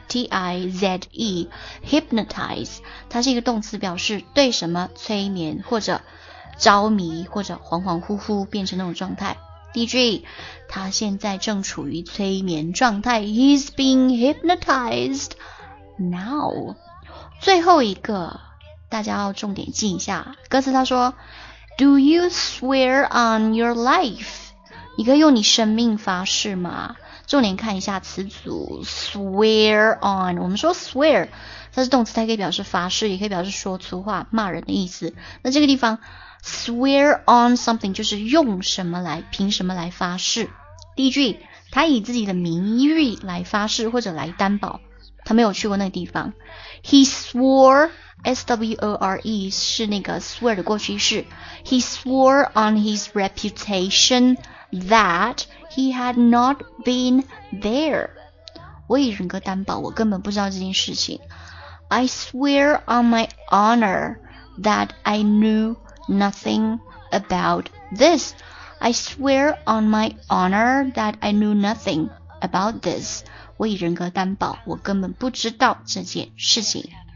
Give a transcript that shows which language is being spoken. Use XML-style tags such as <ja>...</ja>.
<zh>H-Y-P-N-O-T-I-Z-E, hypnotize, 它是一个动词，表示对什么催眠或者着迷或者恍恍惚惚变成那种状态。 DJ, 他现在正处于催眠状态。</zh> <en>He's being hypnotized now.</en> <zh>最后一个大家要重点记一下。歌词他说</zh> <en>Do you swear on your life?</en> <zh>你可以用你生命发誓吗？重点看一下词组 swear on。我们说 swear 它是动词，它可以表示发誓，也可以表示说粗话骂人的意思。那这个地方</zh> <en>swear on something</en> <zh>就是用什么来，凭什么来发誓。第一句，他以自己的名誉来发誓或者来担保他没有去过那个地方。</zh> <en>He swore</en> <zh>S-W-O-R-E 是那个 swear 的过去式。</zh> <en>He swore on his reputation that he had not been there.</en> <zh>我以人格担保，我根本不知道这件事情。</zh> <en>I swear on my honor that I knew nothing about this. I swear on my honor that I knew nothing about this.</en> <zh>我以人格担保，我根本不知道这件事情。</zh>